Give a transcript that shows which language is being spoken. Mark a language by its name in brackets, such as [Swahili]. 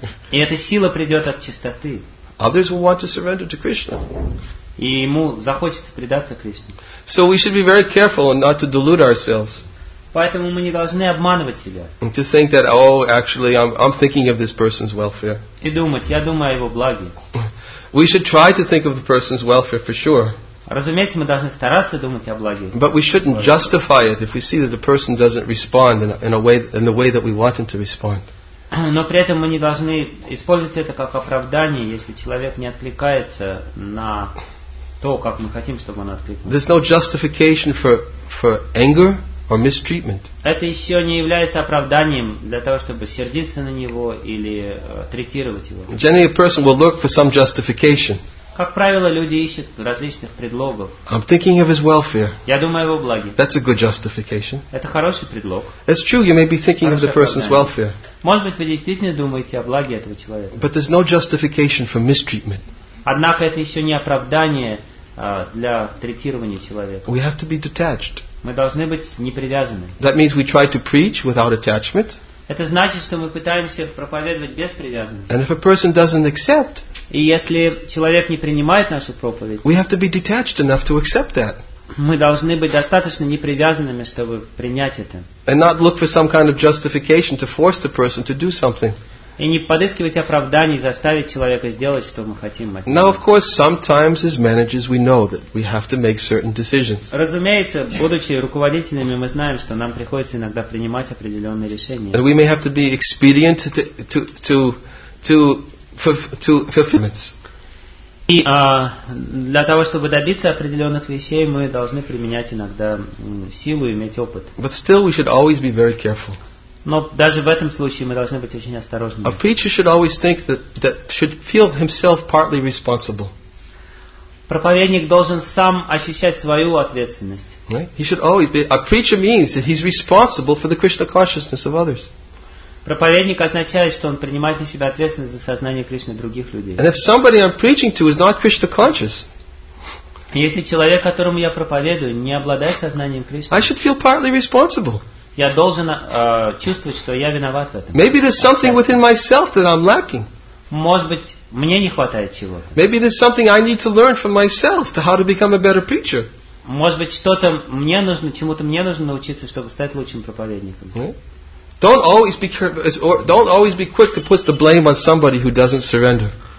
[Russian] И эта сила придет от чистоты. [English] Others will want to surrender to Krishna. [Russian] И ему захочется предаться Кришне. [English] So we should be very careful not to delude ourselves. [Russian] Поэтому мы не должны обманывать себя. [English] And to think that, oh, actually, I'm thinking of this person's welfare. [Russian] И думать, я думаю о его благе. [English] We should try to think of the person's welfare for sure. [Russian] Разумеется, мы должны стараться думать о благе. [English] But we shouldn't justify it if we see that the person doesn't respond in the way that we want him to respond. [Russian] Но при этом мы не должны использовать это как оправдание, если человек не откликается на то, как мы хотим, чтобы он откликнулся. [English] There's no justification for anger or mistreatment. [Russian] Это еще не является оправданием для того, чтобы сердиться на него или третировать его. [English] Generally, a person will look for some justification. [Russian] Как правило, люди ищут различных предлогов. [English] I'm thinking of his welfare. [Russian] Я думаю о его благе. [English] That's a good justification. [Russian] Это хороший предлог. [English] It's true, you may be thinking of the person's welfare. [Russian] Может быть, вы действительно думаете о благе этого человека. [English] But there's no justification for mistreatment. [Russian] Однако это еще не оправдание для третирования человека. [English] We have to be detached. [Russian] Мы должны быть непривязаны. [English] That means we try to preach without attachment. [Russian] Это значит, что мы пытаемся проповедовать без привязанности. [English] And if a person doesn't accept, [Russian] и если человек не принимает нашу проповедь, [English] we have to be detached enough to accept that. [Russian] Мы должны быть достаточно непривязанными, чтобы принять это. [English] And not look for some kind of justification to force the person to do something. [Russian] И не подыскивать оправданий, заставить человека сделать, что мы хотим от него. [English] Now, of course, sometimes as managers we know that we have to make certain decisions. [Russian] Разумеется, будучи руководителями, мы знаем, что нам приходится иногда принимать определенные решения. [English] And we may have to be expedient to fulfillments. [Russian] И для того, чтобы добиться определенных вещей, мы должны применять иногда силу, иметь опыт. [English] But still, we should always be very careful. [Russian] Но даже в этом случае мы должны быть очень осторожны. [English] A preacher should always think that should feel himself partly responsible. [Russian] Проповедник должен сам ощущать свою ответственность. [English] Right? He should always be. A preacher means that he's responsible for the Krishna consciousness of others. [Russian] Проповедник означает, что он принимает на себя ответственность за сознание Кришны других людей. [English] And if somebody I'm preaching to is not Krishna conscious, [Russian] если человек, которому я проповедую, не обладает сознанием Кришны, [English] I should feel partly responsible. [Russian] Я должен чувствовать, что я виноват в этом. [English] Maybe there's something within myself that I'm lacking. [Russian] Может быть, мне не хватает чего-то. [English] Maybe there's something I need to learn from myself to how to become a better preacher. [Russian] Может быть, что-то мне нужно, чему-то мне нужно научиться, чтобы стать лучшим проповедником. [English] Don't always be quick to put the blame on somebody who doesn't surrender.